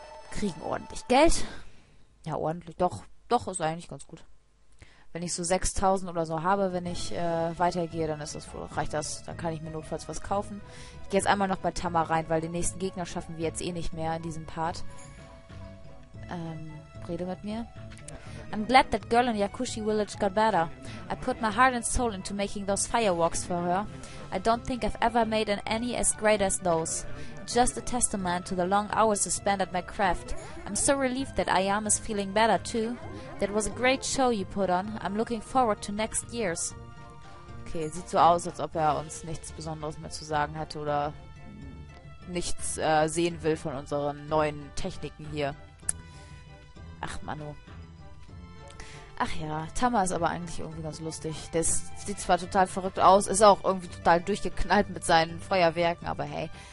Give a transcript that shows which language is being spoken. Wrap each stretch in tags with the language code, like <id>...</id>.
<de>Kriegen ordentlich Geld. Ja, ordentlich. Doch, doch, ist eigentlich ganz gut. Wenn ich so 6.000 oder so habe, wenn ich weitergehe, dann ist das wohl, reicht das. Dann kann ich mir notfalls was kaufen. Ich gehe jetzt einmal noch bei Tama rein, weil den nächsten Gegner schaffen wir jetzt eh nicht mehr in diesem Part. Rede mit mir.</de> <en>I'm glad that girl in Yakushi Village got better. I put my heart and soul into making those fireworks for her. I don't think I've ever made any as great as those. Just a testament to the long hours I spent at my craft. I'm so relieved that Ayama's feeling better too. That was a great show you put on. I'm looking forward to next year's.</en> <de>Okay, sieht so aus, als ob er uns nichts Besonderes mehr zu sagen hat oder nichts sehen will von unseren neuen Techniken hier. Ach, Manu. Ach ja, Tama ist aber eigentlich irgendwie ganz lustig. Der sieht zwar total verrückt aus, ist auch irgendwie total durchgeknallt mit seinen Feuerwerken, aber hey.</de>